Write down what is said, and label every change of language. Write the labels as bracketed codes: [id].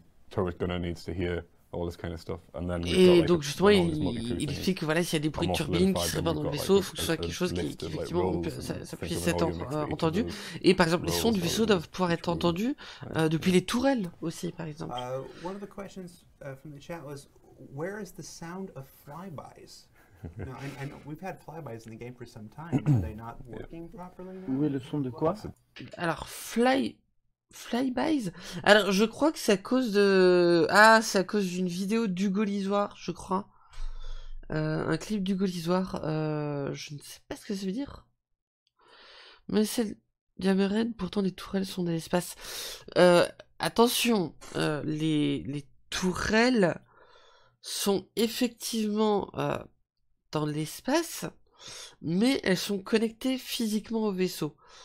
[en] Turret gunner needs to hear all this kind of stuff, and then [fr] et donc justement, il explique que voilà, s'il y a des bruits de turbines qui seraient dans le vaisseau, il faut que ce soit quelque chose qui effectivement ça puisse être entendu. Et par exemple, les sons du vaisseau doivent pouvoir être entendus depuis les tourelles aussi, par exemple. [en] One of the questions from the chat was, where is the sound of flybys? No, and we've had flybys in the game for some time. Are they not working properly? [fr] Où est le son de quoi? Alors flybys. Alors, je crois que c'est à cause d'une vidéo d'Hugo Lisoire, je crois. Un clip du Gaulisoire, je ne sais pas ce que ça veut dire. Mais c'est Diameraine, pourtant les tourelles sont dans l'espace. Attention, les tourelles sont effectivement dans l'espace, mais elles sont connectées physiquement au vaisseau.